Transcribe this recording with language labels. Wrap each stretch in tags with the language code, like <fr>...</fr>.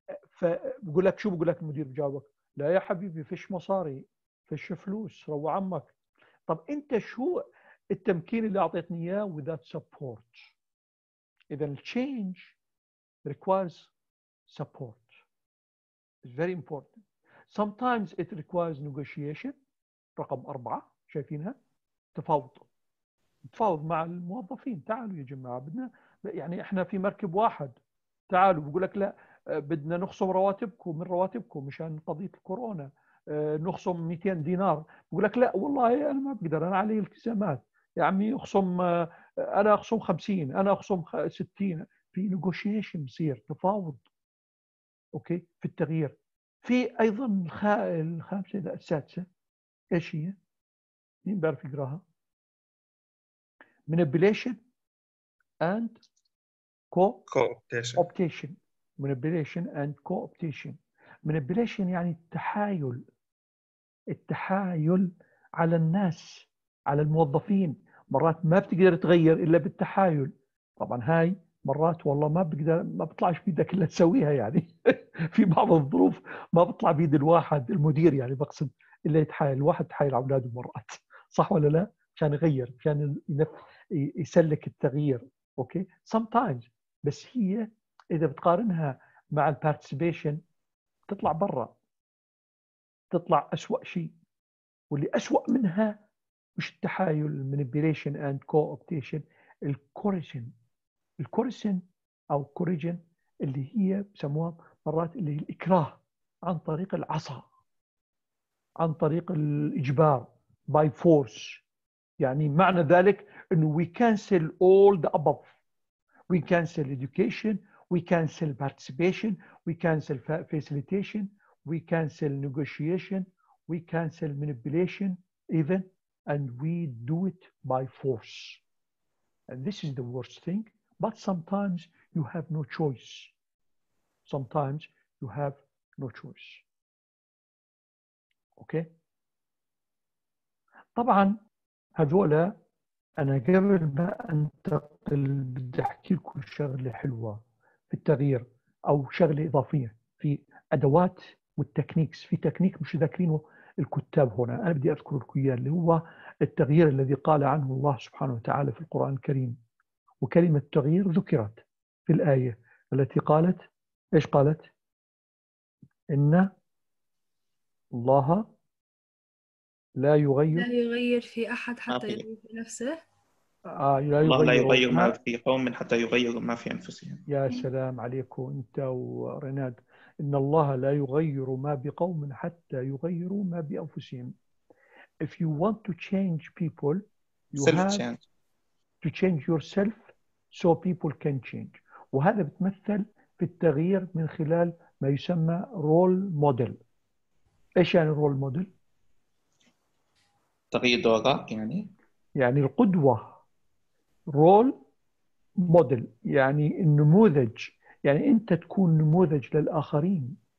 <ar>فبقول لك شو بقول لك المدير بجاوبك؟ لا يا حبيبي فيش مصاري، فيش فلوس، روع عمك. طب أنت شو التمكين اللي أعطيتني إياه</ar> <en>without support؟</en> <ar>إذا</ar> <en>change requires support. It's very important. Sometimes it requires negotiation.</en> <ar>رقم 4 شايفينها تفاوض، تفاوض مع الموظفين، تعالوا يا جماعة بدنا يعني إحنا في مركب واحد، تعالوا بقولك لا بدنا نخصم رواتبكم من رواتبكم مشان قضية الكورونا، نخصم 200 دينار بقولك لا والله أنا ما بقدر أنا علي التزامات يا عمي، أخصم أنا أخصم 50 أنا أخصم 60. في نيغوشيشن بصير تفاوض أوكي في التغيير. في أيضا الخامسة السادسة إيش هي؟ مين بعرف يقراها؟</ar> <en>Manipulation and co-optation. Manipulation and co-optation.</en> <ar>Manipulation يعني التحايل، التحايل على الناس، على الموظفين. مرات ما بتقدر تغير إلا بالتحايل. طبعا هاي مرات والله ما بقدر، ما بطلعش بيدك إلا تسويها يعني. في بعض الظروف ما بطلع بيد الواحد المدير يعني بقصد. اللي يتحايل الواحد تحايل على أولاده مرات صح ولا لا؟ عشان يغير، عشان يسلك التغيير أوكي؟</ar> <en>sometimes.</en> <ar>بس هي إذا بتقارنها مع الparticipation تطلع برا، تطلع أسوأ شيء. واللي أسوأ منها مش التحايل</ar> <en>manipulation and co-optation،</en> <ar>الكوريجن. الكوريجن أو كوريجن اللي هي بسموها مرات اللي هي الإكراه عن طريق العصا، عن طريق الإجبار</ar> <en>by force.</en> <ar>يعني معنى ذلك أنه</ar> <en>we cancel all the above. We cancel education, we cancel participation, we cancel facilitation, we cancel negotiation, we cancel manipulation even, and we do it by force. And this is the worst thing. But sometimes you have no choice. Sometimes you have no choice.</en> <ar>أوكي. طبعا هذولا أنا قبل ما أنتقل بدي أحكي لكم شغلة حلوة في التغيير أو شغلة إضافية في أدوات والتكنيكس. في تكنيك مش ذاكرينه الكتاب هنا أنا بدي أذكر لكم إياه، اللي هو التغيير الذي قال عنه الله سبحانه وتعالى في القرآن الكريم. وكلمة التغيير ذكرت في الآية التي قالت إيش؟ قالت إن الله لا يغير، لا يغير في أحد حتى يغير في نفسه. الله لا يغير ما في قوم حتى يغير ما في أنفسهم. يا سلام عليكم أنت وريناد. إن الله لا يغير ما بقوم حتى يغيروا ما بأنفسهم.</ar> <en>If you want to change people, you have to change yourself so people can change.</en> <ar>وهذا بتمثل في التغيير من خلال ما يسمى role model. إيش يعني role model؟ تغيير دورك يعني؟ يعني القدوة. role model يعني النموذج، يعني أنت تكون نموذج للآخرين.</ar>